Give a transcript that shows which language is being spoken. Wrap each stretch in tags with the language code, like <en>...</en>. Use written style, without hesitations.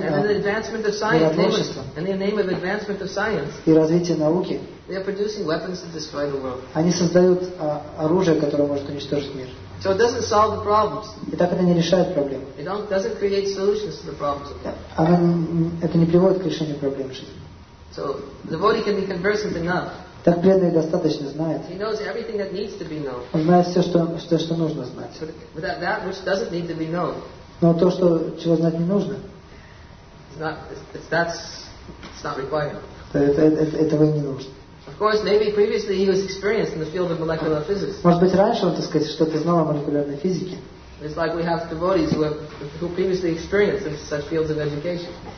<en>And in the advancement of science. In the name of advancement of science.</en> <ru>И развития науки.</ru> <en>They are producing weapons to destroy the world.</en> <ru>Они создают оружие, которое может уничтожить мир.</ru> <en>So it doesn't solve the problems.</en> <ru>И так это не решает проблемы.</ru> <en>It doesn't create solutions to the problems.</en> <ru>Оно это не приводит к решению проблем жизни.</ru> <en>So the devotee can be conversant enough.</en> <ru>Так преданный достаточно знает.</ru> <en>He knows everything that needs to be known.</en> <ru>Он знает все, что нужно знать.</ru> <en>But that which doesn't need to be known.</en> <ru>Но то, что чего знать не нужно.</ru> <en>It's not required.</en> <ru>Этого не нужно.</ru> <en>Of course, maybe previously he was experienced in the field of molecular physics.</en> <ru>Может быть, раньше он, так сказать, что-то знал о молекулярной физике.</ru> <en>It's like we have devotees who previously experienced in such fields of education.</en>